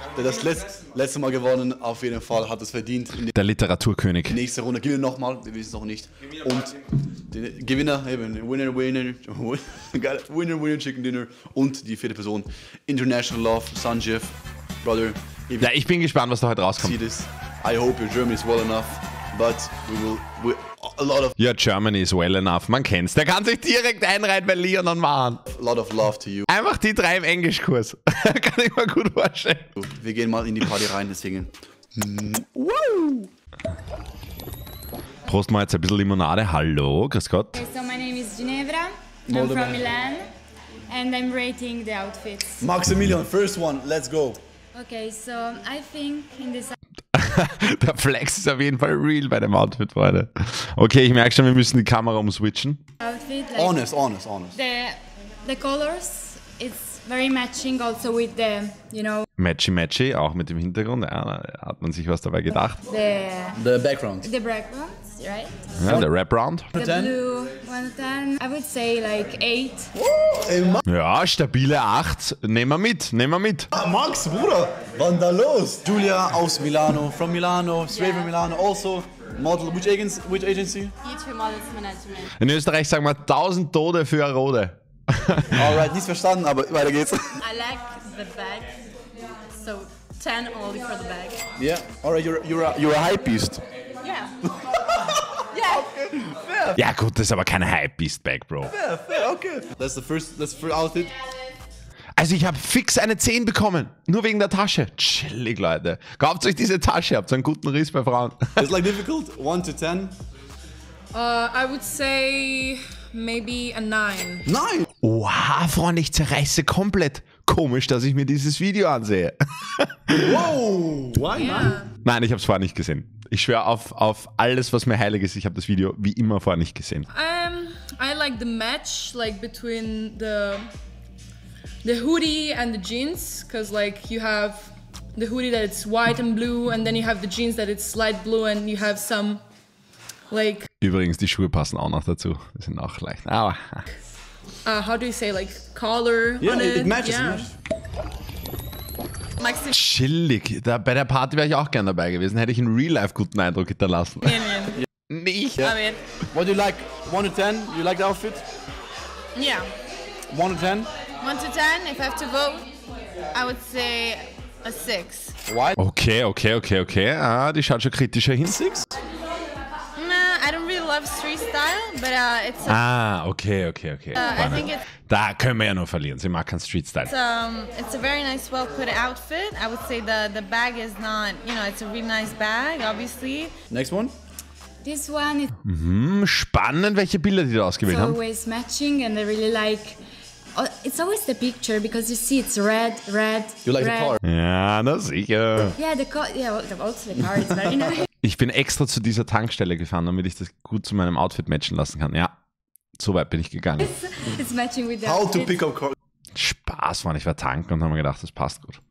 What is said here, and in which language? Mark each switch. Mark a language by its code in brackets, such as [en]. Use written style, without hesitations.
[de] Der das letzte Mal gewonnen, auf jeden Fall hat es verdient. Der Literaturkönig. Die nächste Runde gewinnen nochmal, wir wissen es noch nicht. Und den Gewinner, eben [en] Winner, Winner, Winner, Winner, Winner, Chicken Dinner. [de] Und die vierte Person, International Love, Sanjeev, Brother. Ja, ich bin gespannt, was da heute rauskommt. [en] I hope your German is well enough, but we will, we, a lot of... Your Germany is well enough, [de] man kennt's. Der kann sich direkt einreihen bei Leon und Mahan. [en] A lot of love to you. [de] Einfach die drei im Englischkurs. Kann ich mir gut vorstellen. Wir gehen mal in die Party rein, deswegen. Woo! Prost mal jetzt ein bisschen Limonade. Hallo, grüß Gott. [en] Okay, so my name is Ginevra. I'm from Milan. And I'm rating the outfits. Maximilian, first one, let's go. Okay, so I think in this... [de] Der Flex ist auf jeden Fall real bei dem Outfit, Freunde. Okay, ich merke schon, wir müssen die Kamera umswitchen. [en] Outfit, like honest, honest, honest. The colors, it's very matching also with the, you know... [de] Matchy, matchy, auch mit dem Hintergrund. Ja, da hat man sich was dabei gedacht. [en] The background. The backgrounds, right? Ja, the wraparound. The blue, 1 to 10. I would say like 8. [de] Ja, stabile 8. Nehmen wir mit, nehmen wir mit. Ah, Max, Bruder, wann da los? Julia aus Milano, [en] from Milano, straight from Milano, also model. Which agency? Future Models Management. [de] In Österreich sagen wir 1000 Tode für Rode. Alright, nicht verstanden, aber weiter geht's. [en] I like the bag. So 10 only for the bag. Yeah. All right, you're a hype beast. Yeah. Yeah. Okay. [de] Ja gut, das ist aber keine Hype-Beast-Bag, Bro. [en] Fair, okay. That's the first outfit. [de] Also ich habe fix eine 10 bekommen, nur wegen der Tasche. Chillig, Leute. Kauft euch diese Tasche, habt so einen guten Riss bei Frauen. [en] It's like difficult, 1 to 10. I would say maybe a 9. 9? [de] Oha, Freunde, ich zerreiße komplett. Komisch, dass ich mir dieses Video ansehe. [en] Wow, why not? [de] Nein, ich habe es vorher nicht gesehen. Ich schwöre auf alles, was mir heilig ist, ich habe das Video wie immer vorher nicht gesehen. [en] I like the match, like between the hoodie and the jeans, because like you have the hoodie that it's white and blue, and then you have the jeans that it's light blue, and you have some like. [de] Übrigens, die Schuhe passen auch noch dazu. Die sind auch leicht. Aber. [en] How do you say like collar? Yeah, on it matches. Yeah. [de] Chillig. Da, bei der Party wäre ich auch gern dabei gewesen. Hätte ich einen Real Life guten Eindruck hinterlassen. Nicht. [en] Yeah. I mean. What do you like? 1 to 10? You like the outfit? Yeah. 1 to 10? 1 to 10, if I have to vote, I would say a 6. Why? Okay. [de] Ah, die schaut schon kritischer hin. [en] 6? Nah, I don't really love street style, but it's a... Ah, okay. [de] Da können wir ja nur verlieren, sie mag keinen street style. [en] It's a very nice, well put outfit. I would say the bag is not, you know, it's a really nice bag, obviously. Next one? This one is... [de] spannend, welche Bilder die da ausgewählt haben. [en] It's always matching and I really like... Oh, it's always the picture because you see it's red. You like red. The car? [de] Ja, na sicher. [en] Yeah, also the car is very nice. [de] Ich bin extra zu dieser Tankstelle gefahren, damit ich das gut zu meinem Outfit matchen lassen kann. Ja, so weit bin ich gegangen. [en] It's matching with how to pick up cars. [de] Spaß, Mann. Ich war tanken und habe mir gedacht, das passt gut.